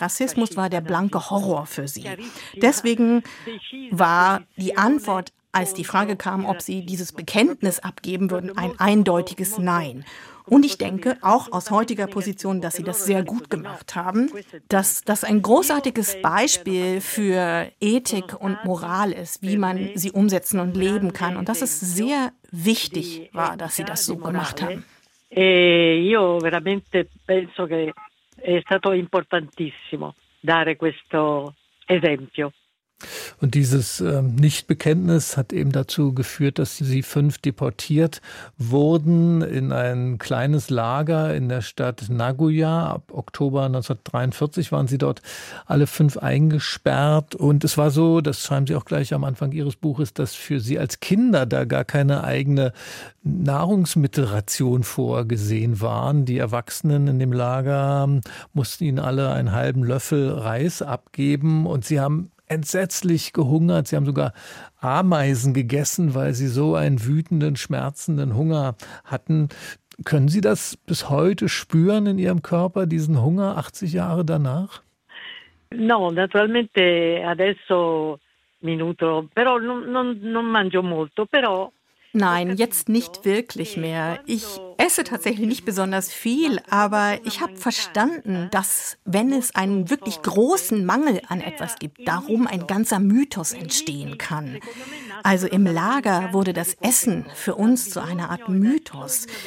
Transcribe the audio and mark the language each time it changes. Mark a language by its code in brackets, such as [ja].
[de] Rassismus war der blanke Horror für sie. Deswegen war die Antwort, als die Frage kam, ob sie dieses Bekenntnis abgeben würden, ein eindeutiges Nein. Und ich denke, auch aus heutiger Position, dass sie das sehr gut gemacht haben, dass das ein großartiges Beispiel für Ethik und Moral ist, wie man sie umsetzen und leben kann. Und dass es sehr wichtig war, dass sie das so gemacht haben. [it] Io veramente penso che è stato importantissimo dare questo esempio. [de] Und dieses Nichtbekenntnis hat eben dazu geführt, dass sie 5 deportiert wurden in ein kleines Lager in der Stadt Nagoya. Ab Oktober 1943 waren sie dort alle 5 eingesperrt. Und es war so, das schreiben Sie auch gleich am Anfang Ihres Buches, dass für sie als Kinder da gar keine eigene Nahrungsmittelration vorgesehen waren. Die Erwachsenen in dem Lager mussten ihnen alle einen halben Löffel Reis abgeben und sie haben entsetzlich gehungert. Sie haben sogar Ameisen gegessen, weil sie so einen wütenden, schmerzenden Hunger hatten. Können Sie das bis heute spüren in Ihrem Körper, diesen Hunger 80 Jahre danach? [it] No, naturalmente adesso mi nutro, però non mangio molto, però. [de] Nein, jetzt nicht wirklich mehr. Ich esse tatsächlich nicht besonders viel, aber ich habe verstanden, dass wenn es einen wirklich großen Mangel an etwas gibt, darum ein ganzer Mythos entstehen kann. Also im Lager wurde das Essen für uns zu einer Art Mythos.